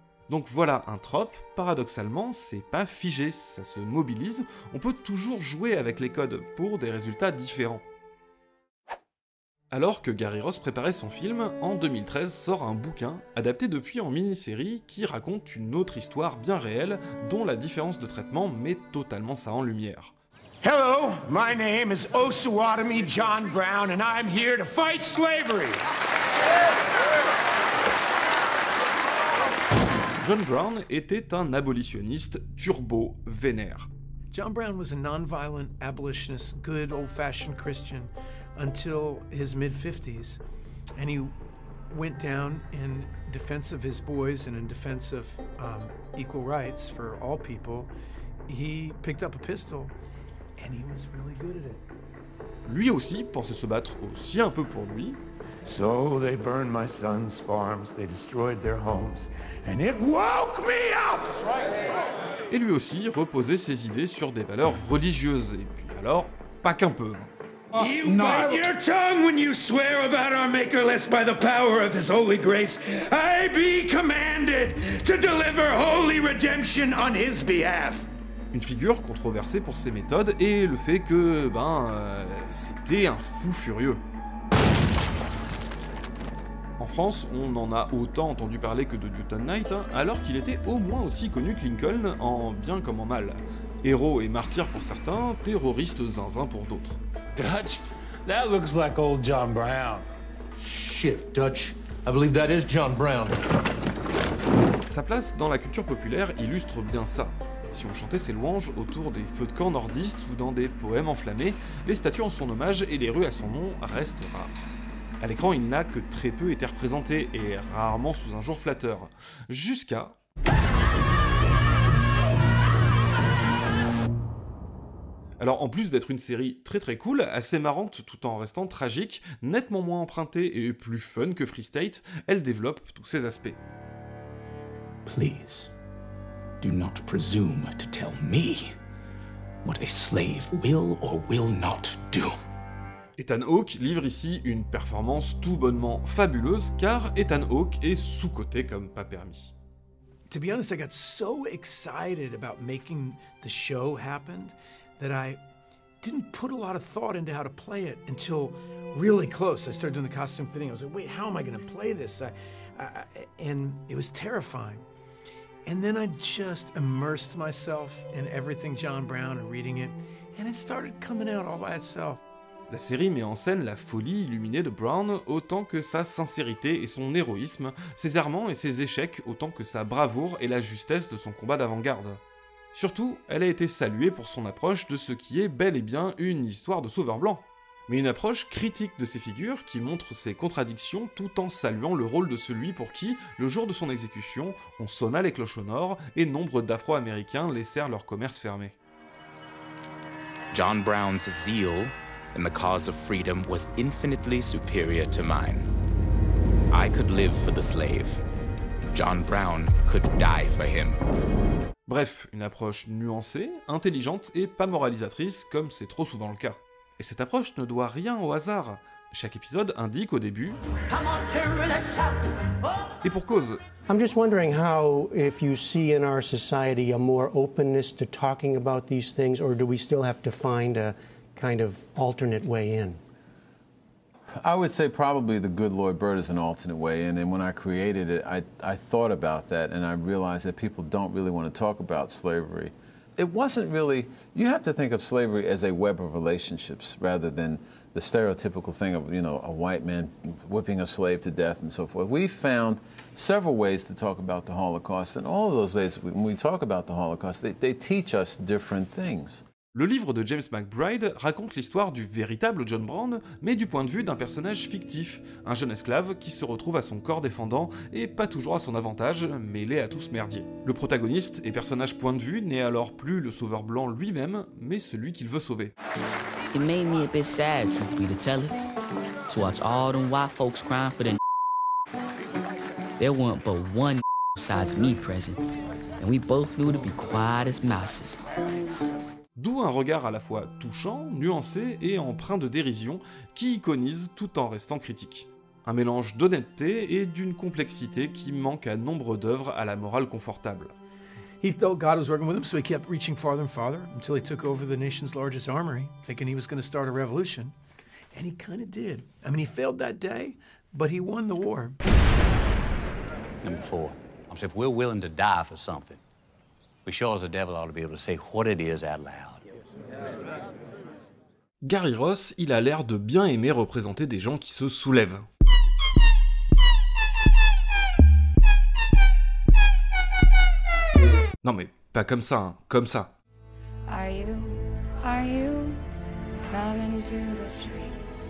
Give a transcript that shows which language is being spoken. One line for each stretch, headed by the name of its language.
French: Donc voilà un trope, paradoxalement, c'est pas figé, ça se mobilise, on peut toujours jouer avec les codes pour des résultats différents. Alors que Gary Ross préparait son film, en 2013 sort un bouquin, adapté depuis en mini-série, qui raconte une autre histoire bien réelle, dont la différence de traitement met totalement ça en lumière.
English: Hello, my name is Osawatomie John Brown, and I'm here to fight slavery.
French: John Brown était un abolitionniste turbo vénère.
English: John Brown was a non-violent abolitionist, good old-fashioned Christian, until his mid-50s, and he went down in defense of his boys and in defense of equal rights for all people. He picked up a pistol. And he was really good at it.
French: Lui aussi pensait se battre aussi un peu pour lui.
English: So they burned my son's farms, they destroyed their homes, and it woke me up.
French: Et lui aussi reposait ses idées sur des valeurs religieuses. Et puis alors, pas qu'un peu.
English: You bite your tongue when you swear about our makerless by the power of his holy grace. I be commanded to deliver holy redemption on his behalf.
French: Une figure controversée pour ses méthodes et le fait que, ben, c'était un fou furieux. En France, on en a autant entendu parler que de Newton Knight, hein, alors qu'il était au moins aussi connu que Lincoln, en bien comme en mal. Héros et martyr pour certains, terroriste zinzin pour d'autres.
English: Dutch, that looks like old John Brown. Shit, Dutch, I believe that is John Brown.
French: Sa place dans la culture populaire illustre bien ça. Si on chantait ses louanges autour des feux de camp nordistes ou dans des poèmes enflammés, les statues en son hommage et les rues à son nom restent rares. À l'écran, il n'a que très peu été représenté, et rarement sous un jour flatteur. Jusqu'à... Alors en plus d'être une série très très cool, assez marrante tout en restant tragique, nettement moins empruntée et plus fun que Free State, elle développe tous ses aspects.
English: Please. Do not presume to tell me what a slave will or will not do.
French: Ethan Hawke livre ici une performance tout bonnement fabuleuse, car Ethan Hawke est sous-coté comme pas permis.
English: to be honest, I got so excited about making the show happen that I didn't put a lot of thought into how to play it until really close. I started doing the costume fitting. I was like, wait, how am I going to play this? And it was terrifying. And then I just immersed myself in everything John Brown and reading it, and it started coming out all by itself.
French: La série met en scène la folie illuminée de Brown autant que sa sincérité et son héroïsme, ses errements et ses échecs autant que sa bravoure et la justesse de son combat d'avant-garde. Surtout, elle a été saluée pour son approche de ce qui est bel et bien une histoire de sauveur blanc. Mais une approche critique de ces figures qui montre ses contradictions tout en saluant le rôle de celui pour qui, le jour de son exécution, on sonna les cloches au nord et nombre d'Afro-Américains laissèrent leur commerce fermé.
English: John Brown's zeal in the cause of freedom was infinitely superior to mine. I could live for the slave. John Brown could die for him.
French: Bref, une approche nuancée, intelligente et pas moralisatrice comme c'est trop souvent le cas. Et cette approche ne doit rien au hasard. Chaque épisode indique au début. Et pour cause.
English: I'm just wondering how, if you see in our society a more openness to talking about these things, or do we still have to find a kind of alternate way in? I would say probably the good Lloyd Bird is an alternate way in. And when I created it, I thought about that, and I realized that people don't really want to talk about slavery. It wasn't really, you have to think of slavery as a web of relationships rather than the stereotypical thing of, you know, a white man whipping a slave to death and so forth. We found several ways to talk about the Holocaust, and all of those ways, when we talk about the Holocaust, they teach us different things.
French: Le livre de James McBride raconte l'histoire du véritable John Brown, mais du point de vue d'un personnage fictif, un jeune esclave qui se retrouve à son corps défendant, et pas toujours à son avantage, mêlé à tout ce merdier. Le protagoniste et personnage point de vue n'est alors plus le sauveur blanc lui-même, mais celui qu'il veut sauver.
English: It made me a bit sad for me to tell it, to watch all them white folks crying for them. There weren't but one besides me present, and we both knew to be quiet as mouses.
French: D'où un regard à la fois touchant, nuancé et empreint de dérision, qui iconise tout en restant critique. Un mélange d'honnêteté et d'une complexité qui manque à nombre d'œuvres à la morale confortable.
English: He thought God was working with him, so he kept reaching farther and farther until he took over the nation's largest armory, thinking he was going to start a revolution. And he kind of did. I mean, he failed that day, but he won the war. Number four. I'm saying, if we're willing to die for something, we sure as the devil ought to be able to say what it is out loud.
French: Gary Ross, il a l'air de bien aimer représenter des gens qui se soulèvent. Non mais pas comme ça, hein, comme ça.
English: Are you coming to the tree?